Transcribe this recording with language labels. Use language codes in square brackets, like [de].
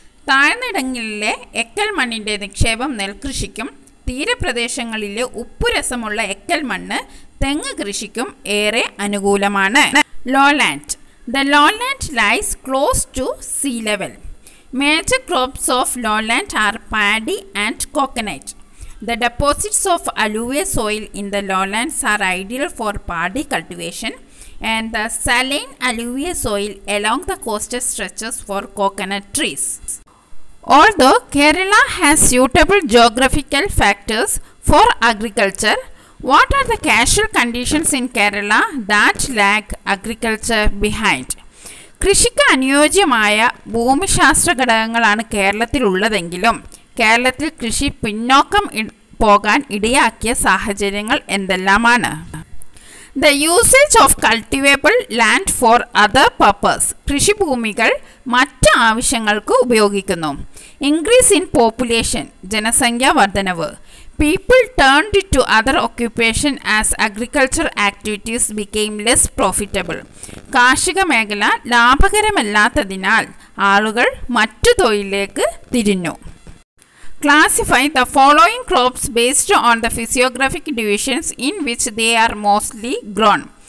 [ml] താഴ്ന്നിടങ്ങളിലെ എക്കൽ മണ്ണിൻ്റെ നിക്ഷേപം നെൽകൃഷിക്കും തീരപ്രദേശങ്ങളിലെ ഉപ്പുരസമുള്ള എക്കൽ മണ്ണ് തെങ്ങ് കൃഷിക്കും ഏറെ അനുകൂലമാണ്. Lowland. [en] The lowland lies close to sea level. Major crops of lowland are paddy and coconut. The deposits of alluvial soil in the lowlands are ideal for paddy cultivation and the saline alluvial soil along the coastal stretches for coconut trees. Although Kerala has suitable geographical factors for agriculture, what are the casual conditions in Kerala that lag agriculture behind? [ml] കൃഷിക്ക് അനുയോജ്യമായ ഭൂമിശാസ്ത്ര ഘടകങ്ങളാണ് കേരളത്തിൽ ഉള്ളതെങ്കിലും കേരളത്തിൽ കൃഷി പിന്നോക്കം പോകാൻ ഇടയാക്കിയ സാഹചര്യങ്ങൾ എന്തെല്ലാമാണ്? [en] The usage of cultivable land for other purpose. [ml] കൃഷിഭൂമികൾ മറ്റ് ആവശ്യങ്ങൾക്ക് ഉപയോഗിക്കുന്നു. [en] Increase in population. [ml] ജനസംഖ്യാ വർധനവ്. [en] People turned to other occupation as agriculture activities became less profitable. [ml] കാർഷിക മേഖല ലാഭകരമല്ലാത്തതിനാൽ ആളുകൾ മറ്റു തൊഴിലിലേക്ക് തിരിഞ്ഞു. [en] Classify the following crops based on the physiographic divisions in which they are mostly grown.